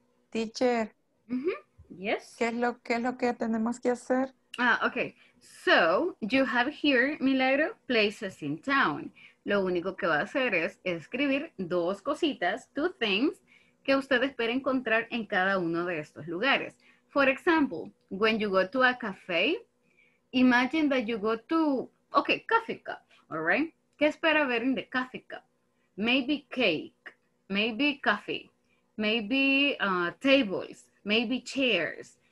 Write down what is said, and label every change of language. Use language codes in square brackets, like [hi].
[en] Teacher. Mm-hmm. Yes. [es] ¿Qué es lo que tenemos que hacer? [en] Ah, okay. So, you have here, Milagro, places in town. [es] Lo único que va a hacer es escribir dos cositas, [en] two things, [es] que usted espera encontrar en cada uno de estos lugares. [en] For example, when you go to a cafe, imagine that you go to, okay, coffee cup, all right? [es] ¿Qué espera ver [en] in the coffee cup? Maybe cake, maybe coffee, maybe tables, maybe chairs.